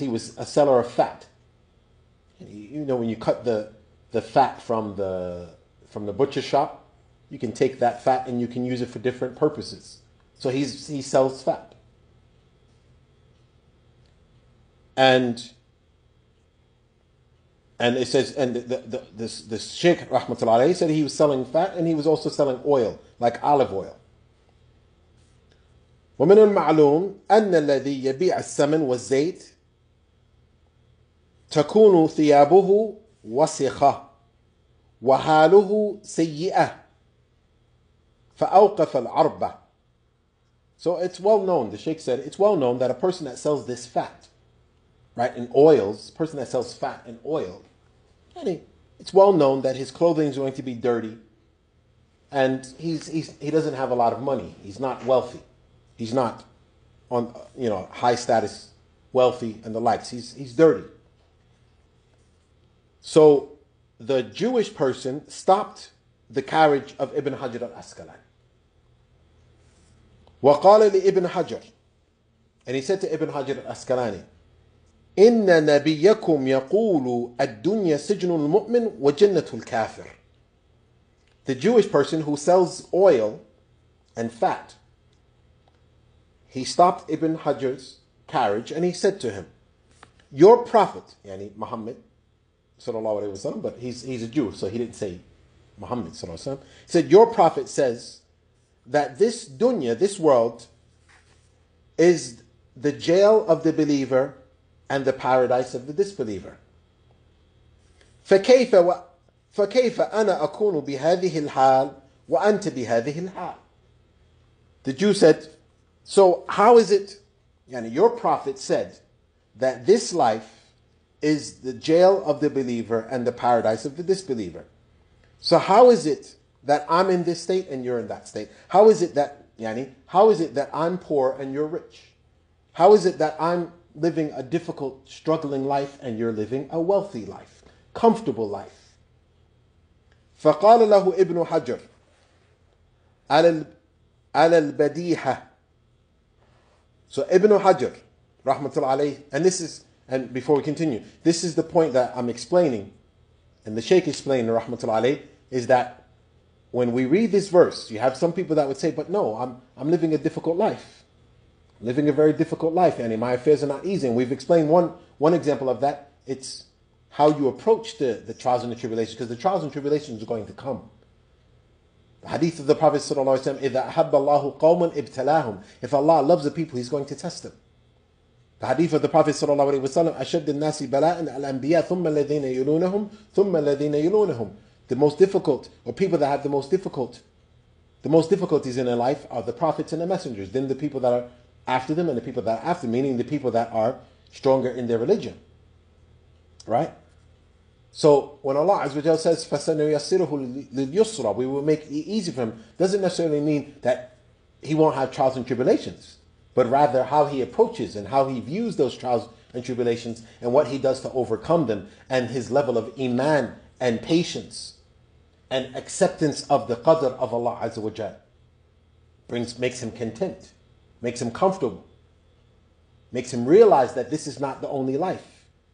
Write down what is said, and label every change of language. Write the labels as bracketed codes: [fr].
[en] He was a seller of fat. You know, when you cut the fat from the butcher shop, you can take that fat and you can use it for different purposes. So he sells fat. And it says, and the Sheikh Rahmatullah Alayhi said he was selling fat and he was also selling oil, like olive oil. [ar] ومن المعلوم أن الذي يبيع السمن والزيت تكون ثيابه وسخة وحاله سيئة فأوقف العربة. [en] So it's well known, the Sheikh said, it's well known that a person that sells this fat, right, in oils, a person that sells fat in oil, it's well known that his clothing is going to be dirty and he doesn't have a lot of money. He's not wealthy. He's not on, you know, high status, wealthy and the likes. He's dirty. So the Jewish person stopped the carriage of Ibn Hajr al-Asqalani. [ar] وَقَالَ لِإِبْنِ حَجَرٍ. [en] And he said to Ibn Hajr al-Asqalani, [ar] إِنَّ نَبِيَّكُمْ يَقُولُ الدُّنْيَا سِجْنُ الْمُؤْمِنِ وَجَنَّةُ الْكَافِرِ. [en] The Jewish person who sells oil and fat, he stopped Ibn Hajr's carriage and he said to him, your prophet, yani Muhammad sallallahu alayhi wa sallam, but he's a Jew, so he didn't say Muhammad sallallahu alayhi wa sallam, said your prophet says that this dunya, this world, is the jail of the believer and the paradise of the disbeliever. [ar] فكيف أنا أكون بهذه الحال وأنت بهذه الحال. [en] The Jew said, so how is it, yani your prophet said that this life is the jail of the believer and the paradise of the disbeliever. So how is it that I'm in this state and you're in that state? How is it that Yani, how is it that I'm poor and you're rich? How is it that I'm living a difficult, struggling life and you're living a wealthy life, comfortable life? [ar] فَقَالَ لَهُ إِبْنُ حَجْرٍ عَلَى الْبَدِيحَةِ. [en] So Ibn Hajr, rahmatullah alayh, and before we continue, this is the point that I'm explaining, and the Shaykh explained, rahmatullah alayh, is that when we read this verse, you have some people that would say, but no, I'm living a difficult life. Living a very difficult life, and my affairs are not easy. And we've explained one example of that. It's how you approach the trials and the tribulations, because the trials and tribulations are going to come. The hadith of the Prophet ﷺ, [ar] إِذَا أَحَبَّ اللَّهُ قَوْمًا إِبْتَلَاهُمْ. [en] If Allah loves the people, He's going to test them. The hadith of the Prophet ﷺ, [ar] أَشَدِّ النَّاسِ بَلَاءً الْأَنْبِيَاءَ ثُمَّ الَّذِينَ يُلُونَهُمْ ثُمَّ الَّذِينَ يُلُونَهُمْ. [en] The most difficult, or people that have the most difficulties in their life are the prophets and the messengers, then the people that are after them and the people that are after, meaning the people that are stronger in their religion. Right? So when Allah Azza wa Jalla says, [ar] فَسَنُوا يَسِّرُهُ لِلْيُسْرَى, [en] we will make it easy for him, doesn't necessarily mean that he won't have trials and tribulations, but rather how he approaches and how he views those trials and tribulations and what he does to overcome them and his level of iman and patience and acceptance of the qadr of Allah Azza wa Jalla makes him content, makes him comfortable, makes him realize that this is not the only life.